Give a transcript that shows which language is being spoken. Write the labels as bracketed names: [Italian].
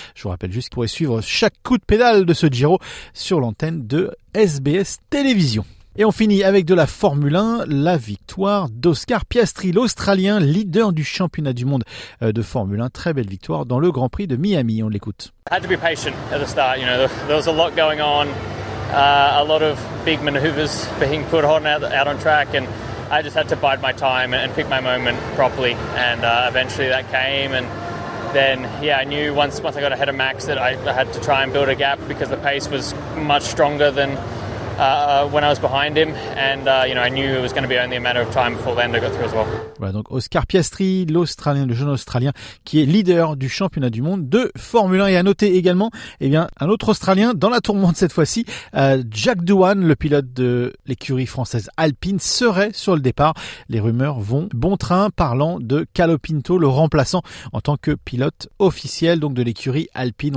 [French] Je vous rappelle juste, vous pourrez suivre chaque coup de pédale de ce Giro sur l'antenne de SBS Télévision. Et on finit avec de la Formule 1, la victoire d'Oscar Piastri, l'Australien leader du championnat du monde de Formule 1. Très belle victoire dans le Grand Prix de Miami, on l'écoute. [English] I had to be patient at the start, you know, there was a lot going on, a lot of big maneuvers being put on out on track and I just had to bide my time and pick my moment properly and eventually that came and then yeah, I knew once I got ahead of Max that I had to try and build a gap because the pace was much stronger than when I was behind him and you know I knew it was going to be only a matter of time before Lando got through as well. [French] Voilà donc Oscar Piastri, l'Australien, le jeune Australien qui est leader du championnat du monde de Formule 1. Et à noter également, eh bien, un autre Australien dans la tourmente cette fois-ci, Jack Doohan, le pilote de l'écurie française Alpine, serait sur le départ. Les rumeurs vont bon train parlant de Calo Pinto, le remplaçant en tant que pilote officiel donc de l'écurie Alpine.